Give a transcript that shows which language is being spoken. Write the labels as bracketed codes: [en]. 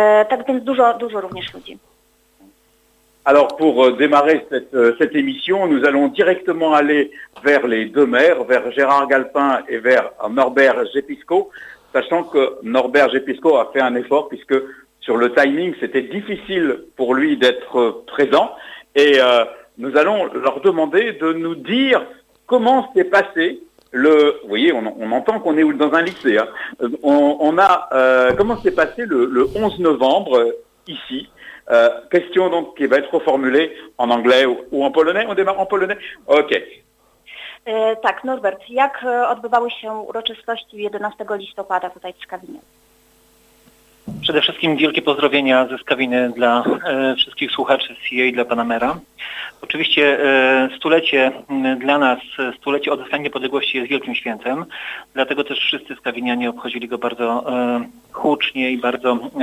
[pl] Tak więc dużo również ludzi. [fr] Alors pour démarrer cette émission, nous allons directement aller vers les deux maires, vers Gérard Galpin et vers Norbert Gipisko, sachant que Norbert Gipisko a fait un effort puisque sur le timing, c'était difficile pour lui d'être présent. Et nous allons leur demander de nous dire comment s'est passé le... Vous voyez, on entend qu'on est dans un lycée. Hein. Comment s'est passé le 11 novembre ici? Question donc qui va être reformulée en anglais ou en polonais. On démarre en polonais. Ok. [pl] Tak, Norbert, jak odbywały się uroczystości 11 listopada tutaj w Skawinie? Przede wszystkim wielkie pozdrowienia ze Skawiny dla wszystkich słuchaczy CIA i dla pana mera. Oczywiście stulecie dla nas, stulecie odzyskania niepodległości jest wielkim świętem, dlatego też wszyscy Skawinianie obchodzili go bardzo hucznie i bardzo